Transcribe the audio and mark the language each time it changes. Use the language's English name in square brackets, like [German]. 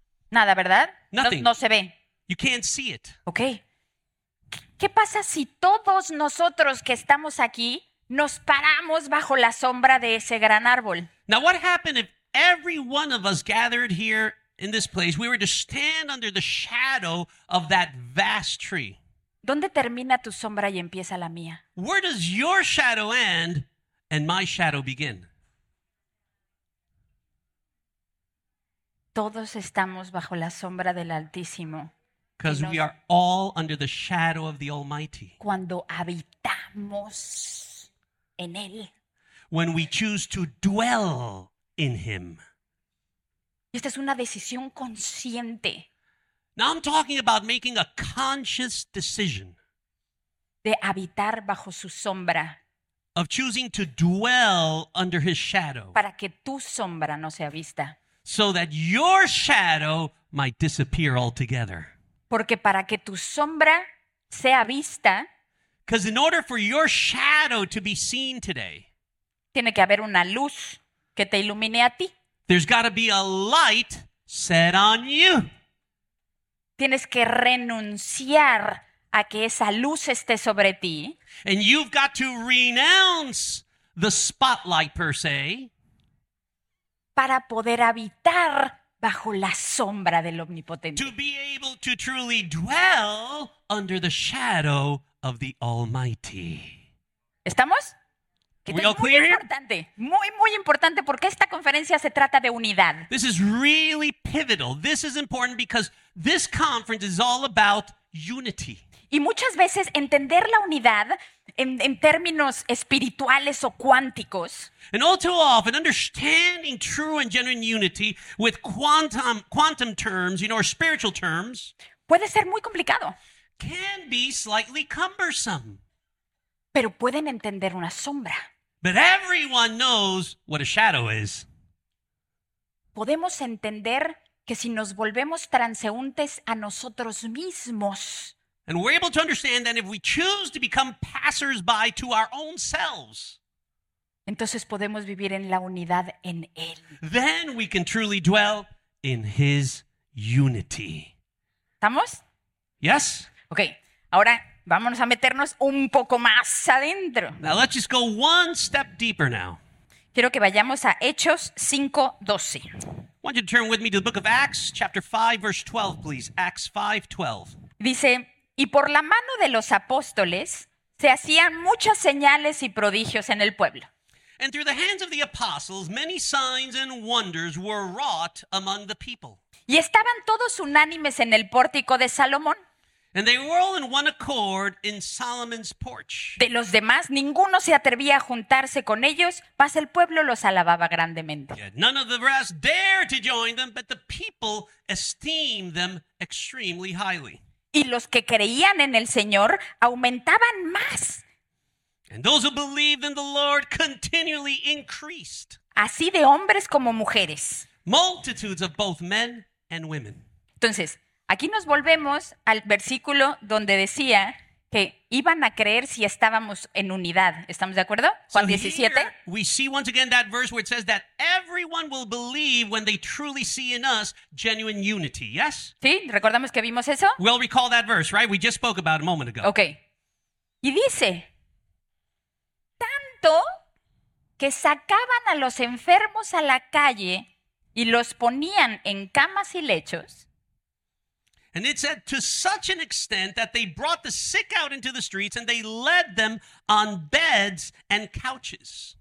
[Spanish] Nada, ¿verdad? [English] Nothing. [Spanish] No, no se ve. [English] You can't see it. Okay. [Spanish] ¿Qué pasa si todos nosotros que estamos aquí nos paramos bajo la sombra de ese gran árbol? [English] Now, what happened if every one of us gathered here in this place, we were to stand under the shadow of that vast tree? [Spanish] ¿Dónde termina tu sombra y empieza la mía? [English] Where does your shadow end and my shadow begin? [Spanish] Todos estamos bajo la sombra del Altísimo. [English] Because we are all under the shadow of the Almighty. [Spanish] Cuando habitamos en Él. [English] When we choose to dwell in Him. [Spanish] Esta es una decisión consciente. [English] Now I'm talking about making a conscious decision. [Spanish] De habitar bajo su sombra. [English] Of choosing to dwell under His shadow. [Spanish] Para que tu sombra no sea vista. [English] So that your shadow might disappear altogether. [Spanish] Porque para que tu sombra sea vista. [English] Because in order for your shadow to be seen today. [Spanish] Tiene que haber una luz que te ilumine a ti. [English] There's got to be a light set on you. [Spanish] Tienes que renunciar a que esa luz esté sobre ti. [English] And you've got to renounce the spotlight, per se. [Spanish] Para poder habitar bajo la sombra del Omnipotente. [English] To be able to truly dwell under the shadow of the Almighty. [Spanish] ¿Estamos? [English] Are we all clear here? [Spanish] Muy, muy importante porque esta conferencia se trata de unidad. [English] This is really pivotal. This is important because this conference is all about unity. [Spanish] Y muchas veces entender la unidad en términos espirituales o cuánticos. [English] And all too often, understanding true and genuine unity with quantum terms, you know, or spiritual terms. [Spanish] Puede ser muy complicado. [English] Can be slightly cumbersome. [Spanish] Pero pueden entender una sombra. [English] But everyone knows what a shadow is. [Spanish] Podemos entender que si nos volvemos transeúntes a nosotros mismos. [English] And we're able to understand that if we choose to become passers-by to our own selves. [Spanish] Entonces podemos vivir en la unidad en Él. [English] Then we can truly dwell in His unity. [Spanish] ¿Estamos? [English] Yes. [Spanish] Okay, ahora vámonos a meternos un poco más adentro. [English] Now let's just go one step deeper now. [Spanish] Quiero que vayamos a Hechos 5:12. [English] I want you to turn with me to the book of Acts, chapter 5, verse 12, please. Acts 5:12. [Spanish] Dice, y por la mano de los apóstoles se hacían muchas señales y prodigios en el pueblo. [English] And through the hands of the apostles, many signs and wonders were wrought among the people. [Spanish] Y estaban todos unánimes en el pórtico de Salomón. [English] And they were all in one accord in Solomon's porch. [Spanish] De los demás, ninguno se atrevía a juntarse con ellos, mas el pueblo los alababa grandemente. [English] Yet none of the rest dared to join them, but the people esteemed them extremely highly. [Spanish] Y los que creían en el Señor aumentaban más. [English] And those who believed in the Lord continually increased. [Spanish] Así de hombres como mujeres. [English] Multitudes of both men and women. [Spanish] Entonces, aquí nos volvemos al versículo donde decía que iban a creer si estábamos en unidad. ¿Estamos de acuerdo? Juan 17. [English] So here we see once again that verse where it says that everyone will believe when they truly see in us genuine unity. Yes? [Spanish] ¿Sí? ¿Recordamos que vimos eso? [English] We'll recall that verse, right? We just spoke about it a moment ago. Okay. [Spanish] Y dice, tanto que sacaban a los enfermos a la calle y los ponían en camas y lechos. [English] And it said to such an extent that they brought the sick out into the streets and they led them on beds and couches.